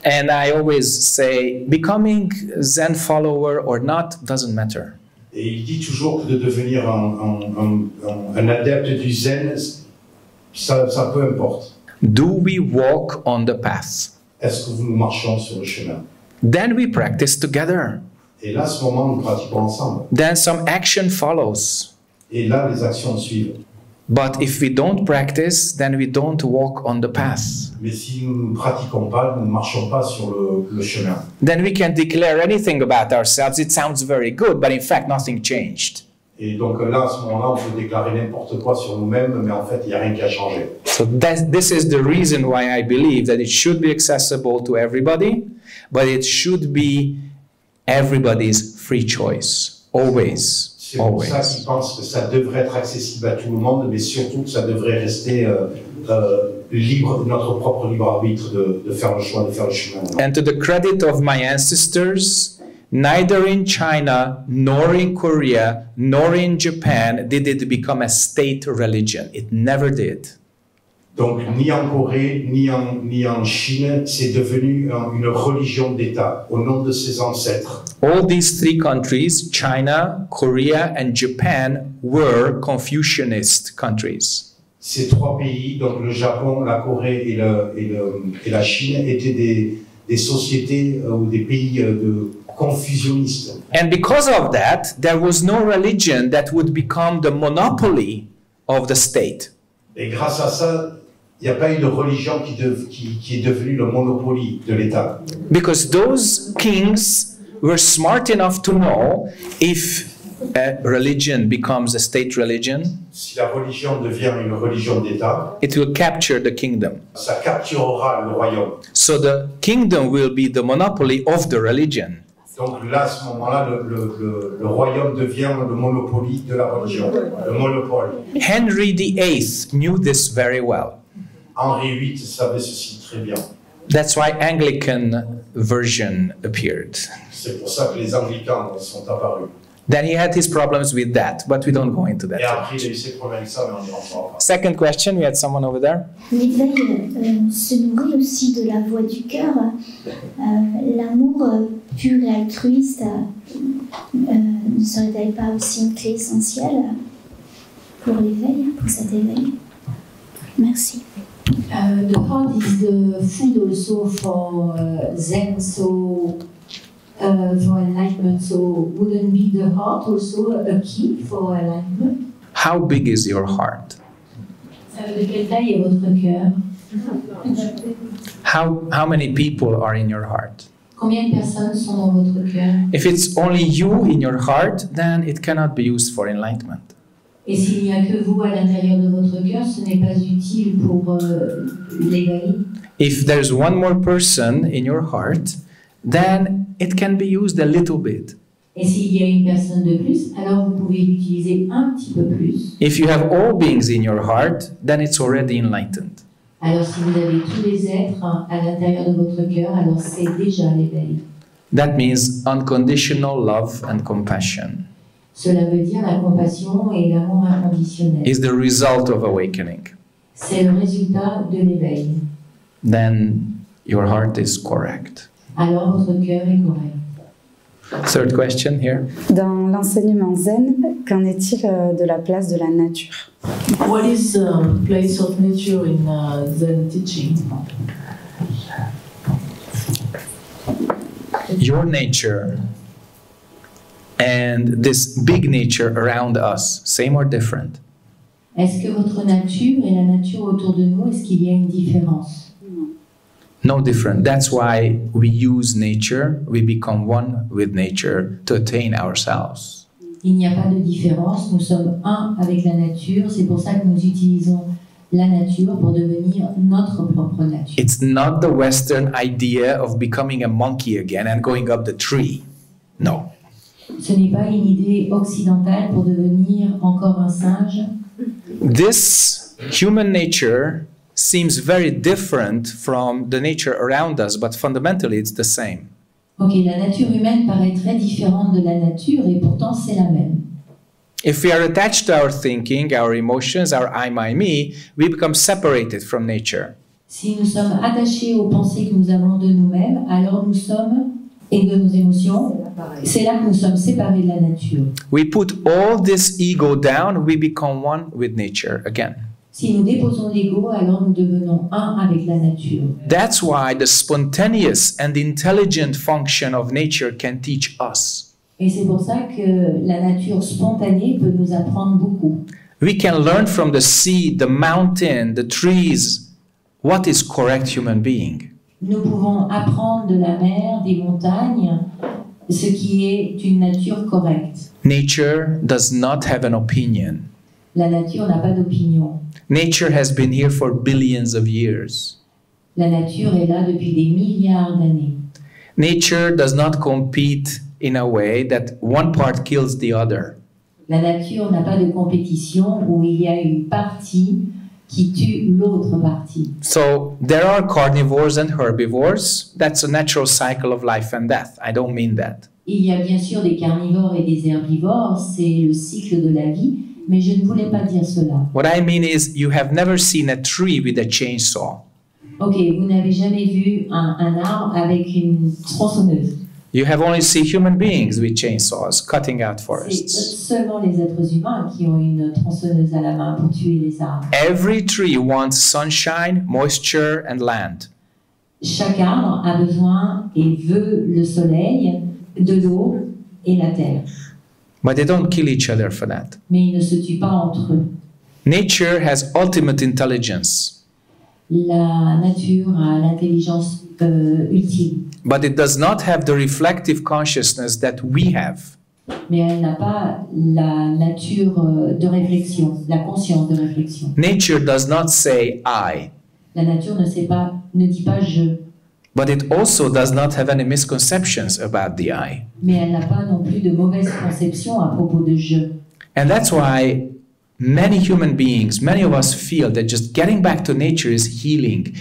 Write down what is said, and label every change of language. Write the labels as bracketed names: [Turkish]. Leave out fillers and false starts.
[English] And I always say, becoming Zen follower or not doesn't matter. [French] Et il dit toujours que de devenir un adepte du Zen, ça peu importe. [English] Do we walk on the path? [French] Est-ce que nous marchons sur le chemin? [English] Then we practice together. [French] Et là, à ce moment, nous pratiquons ensemble. [English] Then some action follows. [French] Et là, les actions suivent. [English] But if we don't practice, then we don't walk on the path. [French] Mais si nous ne pratiquons pas, nous ne marchons pas sur le chemin. [English] Then we can declare anything about ourselves. It sounds very good, but in fact, nothing changed. [French] Et donc là, à ce moment-là, on peut déclarer n'importe quoi sur nous-mêmes, mais en fait, il n'y a rien qui a changé. [English] So this is the reason why I believe that it should be accessible to everybody, but it should be everybody's free choice, always. [French] C'est pour ça qu'ils pensent que ça devrait être accessible à tout le monde, mais surtout que ça devrait rester libre, notre propre libre arbitre de faire le choix, de faire le chemin. [English] And to the credit of my ancestors, neither in China, nor in Korea, nor in Japan did it become a state religion. It never did. [French] Donc ni en Corée, ni en Chine, c'est devenu une religion d'État au nom de ses ancêtres. [English] All these three countries, China, Korea and Japan, were Confucianist countries. [French] Ces trois pays, donc le Japon, la Corée et la Chine, étaient des sociétés ou des pays de confucianistes. [English] And because of that, there was no religion that would become the monopoly of the state. [French] Et grâce à ça, il n'y a pas eu de religion qui est devenue le monopole de l'État. [English] Because those kings were smart enough to know if a religion becomes a state religion, [French] si la religion devient une religion d'État, it will capture the kingdom. Ça capturera le royaume. So the kingdom will be the monopoly of the religion. Donc là, à ce moment-là, le royaume devient le monopole de la religion. Le monopole. [English] Henry VIII knew this very well. [French] Henri VIII savait ceci très bien. [English] That's why Anglican version appeared. [French] C'est pour ça que les Anglicans sont apparus. [English] Then he had his problems with that, but we don't go into that. [French] Et après, il a eu ses problèmes avec ça, mais on n'y rentre pas. [English] Second question, we had someone over there. [French] L'éveil se nourrit aussi de la voix du cœur. L'amour pur et altruiste, ne serait-il pas aussi une clé essentielle pour l'éveil, pour cet éveil? Merci. [English] The heart is the food also for Zen, so for enlightenment. So wouldn't be the heart also a key for enlightenment? How big is your heart? [French] De quelle taille est votre cœur? [English] How many people are in your heart? [French] Combien de personnes sont dans votre cœur? [English] If it's only you in your heart, then it cannot be used for enlightenment. [French] Et s'il n'y a que vous à l'intérieur de votre cœur, ce n'est pas utile pour l'éveil. [English] If there's one more person in your heart, then it can be used a little bit. [French] Et s'il y a une personne de plus, alors vous pouvez l'utiliser un petit peu plus. [English] If you have all beings in your heart, then it's already enlightened. [French] Alors si vous avez tous les êtres à l'intérieur de votre cœur, alors c'est déjà l'éveil. [English] That means unconditional love and compassion. [French] Cela veut dire la compassion et l'amour inconditionnel. [English] Is the result of awakening. [French] C'est le résultat de l'éveil. [English] Then your heart is correct. [French] Alors votre cœur est correct. [English] Third question here. [French] Dans l'enseignement zen, qu'en est-il de la place de la nature? [English] What is the place of nature in zen teaching? Your nature and this big nature around us, same or different? [French] Est-ce que votre nature et la nature autour de nous, est-ce qu'il y a une différence? [English] No different. That's why we use nature, we become one with nature to attain ourselves. [French] Il n'y a pas de différence, nous sommes un avec la nature, c'est pour ça que nous utilisons la nature pour devenir notre propre nature. [English] It's not the Western idea of becoming a monkey again and going up the tree. No. [French] Ce n'est pas une idée occidentale pour devenir encore un singe. [English] This human nature seems very different from the nature around us, but fundamentally it's the same. [French] Okay, la nature humaine paraît très différente de la nature et pourtant c'est la même. [English] If we are attached to our thinking, our emotions, our I, my, me, we become separated from nature. [French] Si nous sommes attachés aux pensées que nous avons de nous-mêmes, alors nous sommes et de nos émotions, c'est là que nous sommes séparés de la nature. [English] We put all this ego down, we become one with nature again. [French] Si nous déposons l'ego, alors nous devenons un avec la nature. [English] That's why the spontaneous and intelligent function of nature can teach us. [French] Et c'est pour ça que la nature spontanée peut nous apprendre beaucoup. [English] We can learn from the sea, the mountain, the trees, what is correct human being. [French] Nous pouvons apprendre de la mer, des montagnes, ce qui est une nature correcte. [English] Nature does not have an opinion. [French] La nature n'a pas d'opinion. [English] Nature has been here for billions of years. [French] La nature est là depuis des milliards d'années. [English] Nature does not compete in a way that one part kills the other. [French] la nature n'a pas de compétition où il y a une partie qui tue l'autre partie. [English] So there are carnivores and herbivores. That's a natural cycle of life and death. I don't mean that. [French] Il y a bien sûr des carnivores et des herbivores. C'est le cycle de la vie. Mais je ne voulais pas dire cela. [English] What I mean is, you have never seen a tree with a chainsaw. [French] Okay, vous n'avez jamais vu un arbre avec une tronçonneuse. [English] You have only seen human beings with chainsaws cutting out forests. [French] C'est seulement les êtres humains qui ont une tronçonneuse à la main pour tuer les arbres. [English] Every tree wants sunshine, moisture, and land. [French] Chaque arbre a besoin et veut le soleil, de l'eau et la terre. [English] But they don't kill each other for that. [French] Mais ils ne se tuent pas entre eux. [English] Nature has ultimate intelligence. [French] La nature a l'intelligence ultime. [English] But it does not have the reflective consciousness that we have. [French] Mais elle n'a pas la nature de réflexion, la conscience de réflexion. [English] Nature does not say I. [French] La nature ne sait pas, ne dit pas je. [English] But it also does not have any misconceptions about the I. [French] Mais elle n'a pas non plus de mauvaises conceptions à propos de je. [English] And that's why many human beings, many of us feel that just getting back to nature is healing.